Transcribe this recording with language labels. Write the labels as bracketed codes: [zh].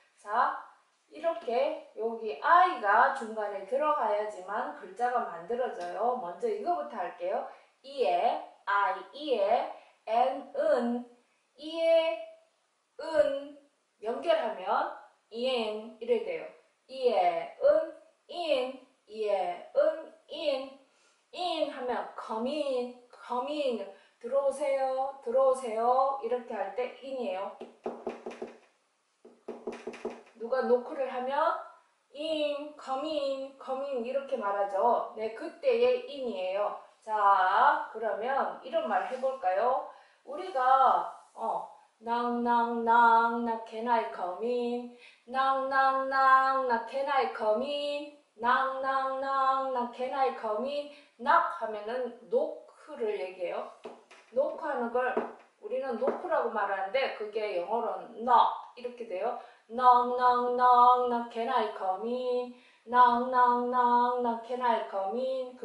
[ko] 자, 이렇게 여기 I가 중간에 들어가야지만 글자가 만들어져요. 먼저 이거부터 할게요. 이에, I, 이에, N, 은, 이에, 은. 연결하면 이엔 이래 돼요. 이에, 은, 인, 이에, 은, 인. 인 하면 [en] come in, come in. [ko] 들어오세요, 들어오세요. 이렇게 할때 in이에요. 누가 노크를 하면 in, [en] come in, come in [ko] 이렇게 말하죠. 네, 그때의 in이에요. 자, 그러면 이런 말 해볼까요? 우리가 [en] knock knock knock, can I come in? knock knock knock, can I come in? knock knock knock, can I come in? [ko] knock 하면은 노크를 얘기해요. 노크하는 걸 우리는 노크라고 말하는데 그게 영어로는 knock 이렇게 돼요. [en] knock knock knock, can I come in? knock knock knock, can I come in?